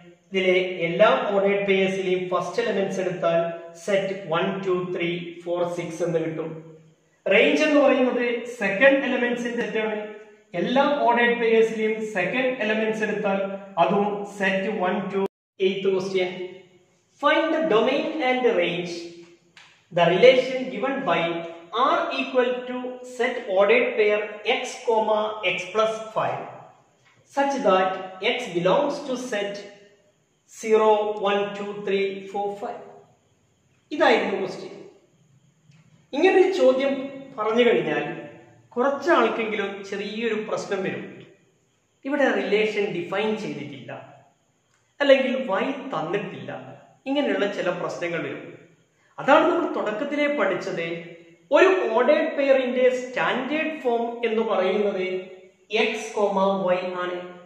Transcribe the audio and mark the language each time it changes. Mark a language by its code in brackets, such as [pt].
[ml] ഇതിലെ എല്ലാ ordered പെയേഴ്സിലെയും first elements എടുത്താൽ സെറ്റ് 1, 2, 3, 4, 6 എന്ന് കിട്ടും. റേഞ്ച് എന്ന് പറയുന്നത് സെക്കൻഡ് എലമെന്റ്സിന്റെ സെറ്റ് ആണ്. എല്ലാ ഓർഡേർഡ് പെയേഴ്സിലെയും സെക്കൻഡ് എലമെന്റ്സ് എടുത്താൽ അതും set 1, 2, 8. [en] Question, find the domain and range. The relation given by R equal to set ordered pair x, x plus 5 such that x belongs to set 0, 1, 2, 3, 4, 5. [ml] ഇതായിരുന്നു question. ഇങ്ങനെ ഒരു ചോദ്യം പറഞ്ഞു കഴിഞ്ഞാൽ കുറച്ച് ആൾക്കെങ്കിലും ചെറിയൊരു പ്രശ്നം വരും. ഇവിടെ റിലേഷൻ ഡിഫൈൻ ചെയ്തിട്ടില്ല, അല്ലെങ്കിൽ വൈ തന്നിട്ടില്ല, ഇങ്ങനെയുള്ള ചില പ്രശ്നങ്ങൾ വരും. അതാണ് നമ്മൾ തുടക്കത്തിലെ പഠിച്ചത്, ഒരു ഓർഡേർഡ് പെയറിന്റെ സ്റ്റാൻഡേർഡ് ഫോം എന്ന് പറയുന്നത് എക്സ് കോമ വൈ ആണ്.